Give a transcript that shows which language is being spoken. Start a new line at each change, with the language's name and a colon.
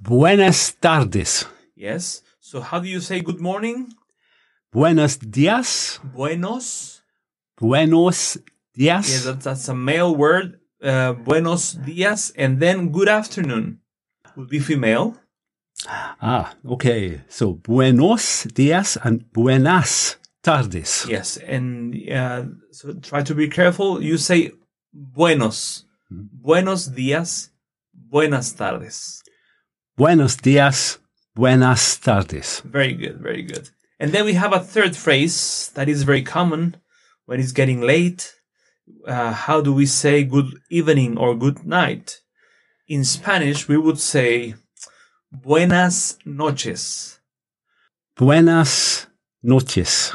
Spanish: Buenas tardes.
English: Yes. So how do you say good morning?
Spanish: Buenos días. Buenos. Buenos días.
English: Yeah, that's a male word.
Spanish: Buenos días.
English: And then good afternoon would be female. Ah, okay.
Spanish: So buenos días and buenas tardes.
English: Yes. And so try to be careful. You say buenos.
Spanish: Buenos días, buenas tardes. Buenos días, buenas tardes.
English: Very good, very good. And then we have a third phrase that is very common when it's getting late. How do we say good evening or good night? In Spanish, we would say
Spanish: buenas noches. Buenas noches.